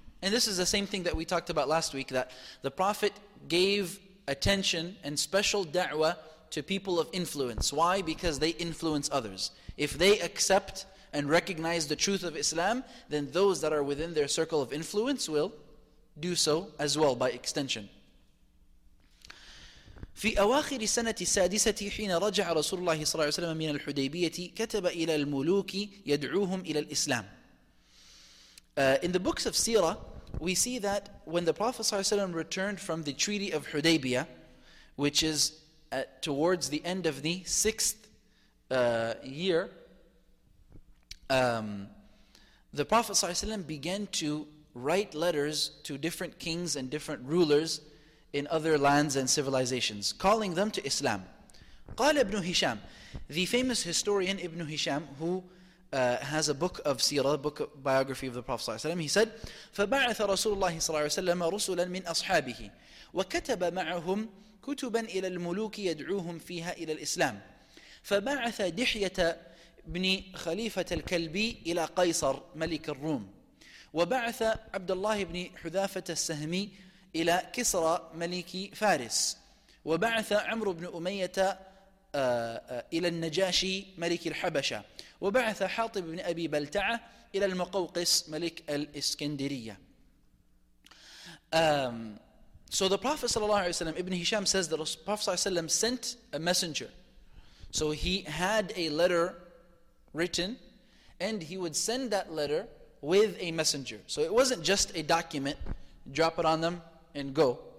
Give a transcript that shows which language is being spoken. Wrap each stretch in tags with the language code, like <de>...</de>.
<en>And this is the same thing that we talked about last week, that the Prophet gave attention and special da'wah to people of influence. Why? Because they influence others. If they accept and recognize the truth of Islam, then those that are within their circle of influence will do so as well by extension.</en> <ar>في أواخر السنة السادسة حين رجع رسول الله صلى الله عليه وسلم من الحديبية كتب إلى الملوك يدعوهم إلى الإسلام.</ar> <en>In the books of Seerah, we see that when the Prophet ﷺ returned from the Treaty of Hudaybiyah, which is towards the end of the sixth year, the Prophet ﷺ began to write letters to different kings and different rulers in other lands and civilizations, calling them to Islam.</en> <ar>قال ابن هشام,</ar> <en>the famous historian Ibn Hisham, who has a book of Seerah, book of biography of the Prophet</en> <ar>صلى الله عليه وسلم.</ar> <en>He said,</en> <ar>فَبَعَثَ رَسُولُ اللَّهِ صلى الله عليه وسلم رُسُلًا مِنْ أَصْحَابِهِ وَكَتَبَ مَعَهُمْ كُتُبًا إِلَى الْمُلُوكِ يَدْعُوهُمْ فِيهَا إِلَى الْإِسْلَامِ فَبَعَثَ دِحْيَةَ بْنِ خَلِيفَةَ الْكَلْبِي إِلَى قَيْصَرْ مَلِكَ الرُّومِ وَبَعَثَ عَبْدَ اللَّهِ بْنِ حُذَافَةَ السَّهْمِي إِلَى كِسْرَى مَلِكِ فَارِسِ وَبَعَثَ عَمْرُو بْنُ أُمَيَّةَ إلى النجاشي ملك الحبشة وبعث حاطب بن أبي بلتعة إلى المقوقس ملك الإسكندرية.</ar> <en>So the Prophet صلى الله عليه وسلم, Ibn Hisham says that the Prophet صلى الله عليه وسلم sent a messenger. So he had a letter written, and he would send that letter with a messenger. So it wasn't just a document, drop it on them and go.</en>